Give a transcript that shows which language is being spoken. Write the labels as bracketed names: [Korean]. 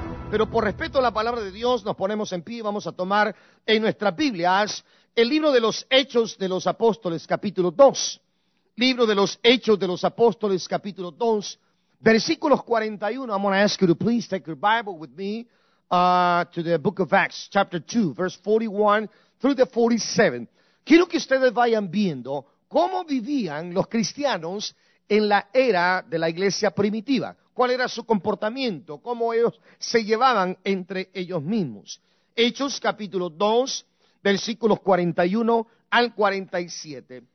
[Spanish] Pero por respeto a la Palabra de Dios, nos ponemos en pie y vamos a tomar en nuestras Biblias el libro de los Hechos de los Apóstoles, capítulo 2. Libro de los Hechos de los Apóstoles, capítulo 2, versículos 41. [English] I'm going to ask you to please take your Bible with me to the book of Acts, chapter 2, verse 41 through the 47. [Spanish] Quiero que ustedes vayan viendo cómo vivían los cristianos en la era de la iglesia primitiva. ¿Cuál era su comportamiento? ¿Cómo ellos se llevaban entre ellos mismos? Hechos, capítulo 2, versículos 41 al 47.